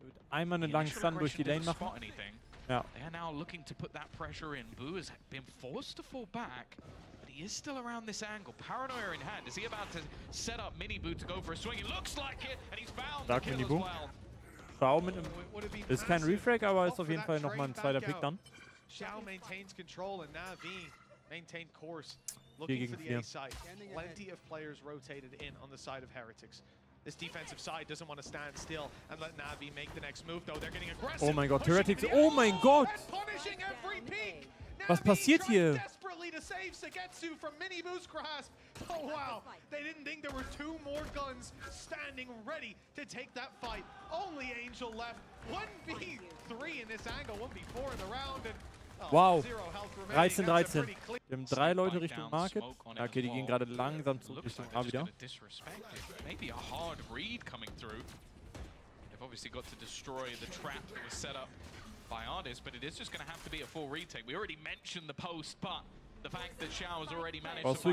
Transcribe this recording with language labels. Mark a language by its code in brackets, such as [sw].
[de] Einmal einen langen Stun durch die Lane machen. Ja. [en] They are now looking to put that pressure in. Boo has been forced to fall back, but he is still around this angle. Paranoia in hand. Is he about to set up Mini Boo to go for a swing? It looks like it, and he's found the kill as well. [de] Schau mit dem. Ist kein Refrag, aber ist auf jeden Fall nochmal ein zweiter Pick dann. [en] Schau maintains control and Navi maintain course. Looking for the A site. Plenty of players rotated in on the side of Heretics. This defensive side doesn't want to stand still and let Navi make the next move, though they're getting aggressive. Oh my god, Heretics, oh my god! Punishing every peak! [de] Was passiert hier? [en] Desperately to save Sugetsu from Minibu's grasp. Oh wow, they didn't think there were two more guns standing ready to take that fight. Only Angel left. 1v3 in this angle, 1v4 in the round, and [de] Wow. 13-13. Wir haben drei Leute Richtung Market. Okay, die gehen gerade langsam zurück Richtung A wieder. [en] Maybe a hard read coming through. They've obviously got to destroy the trap that was set up by Artis, but it is just going to have to be a full retake. We already mentioned the post, but the fact that Xiao has already managed to